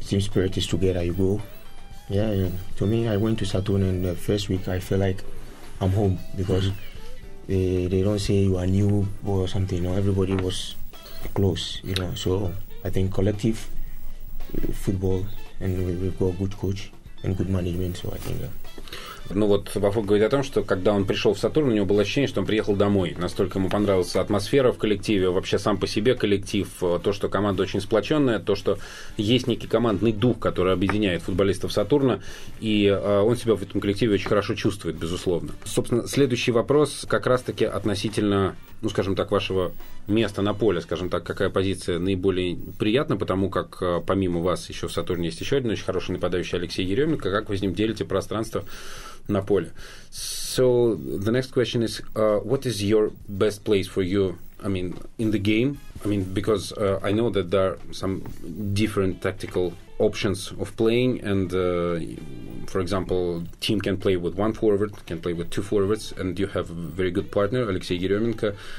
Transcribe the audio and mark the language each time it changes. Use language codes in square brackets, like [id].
[en] Team spirit is together, you go. Yeah, yeah. To me, I went to Saturn and the first week I feel like I'm home, because mm-hmm. they don't say you are new or something, you know, everybody was close, you know. So I think collective football, and we've got a good coach and good management, so I think [ru] Ну вот Бафур говорит о том, что когда он пришел в «Сатурн», у него было ощущение, что он приехал домой. Настолько ему понравилась атмосфера в коллективе, вообще сам по себе коллектив, то, что команда очень сплоченная, то, что есть некий командный дух, который объединяет футболистов «Сатурна», и он себя в этом коллективе очень хорошо чувствует, безусловно. Собственно, следующий вопрос как раз-таки относительно, ну, скажем так, вашего места на поле, скажем так, какая позиция наиболее приятна, потому как помимо вас еще в «Сатурне» есть еще один очень хороший нападающий Алексей Еременко. Как вы с ним делите пространство на поле? [en] So the next question is, what is your best place for you I mean, in the game? I mean, because I know that there are some different tactical options of playing, and for example, team can play with one forward, can play with two forwards, and you have a very good partner, Alexey Yeremenko.